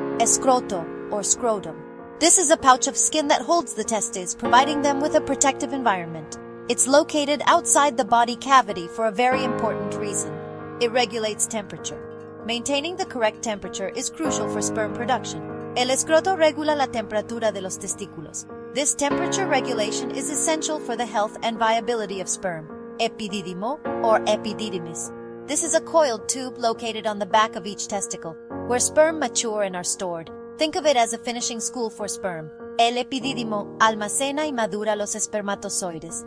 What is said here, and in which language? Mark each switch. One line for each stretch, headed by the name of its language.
English: Escroto, or scrotum. This is a pouch of skin that holds the testes, providing them with a protective environment. It's located outside the body cavity for a very important reason. It regulates temperature. Maintaining the correct temperature is crucial for sperm production.
Spanish: El escroto regula la temperatura de los testículos.
English: This temperature regulation is essential for the health and viability of sperm. Epidídimo, or epididymis. This is a coiled tube located on the back of each testicle, where sperm mature and are stored. Think of it as a finishing school for sperm.
Spanish: El epidídimo almacena y madura los espermatozoides.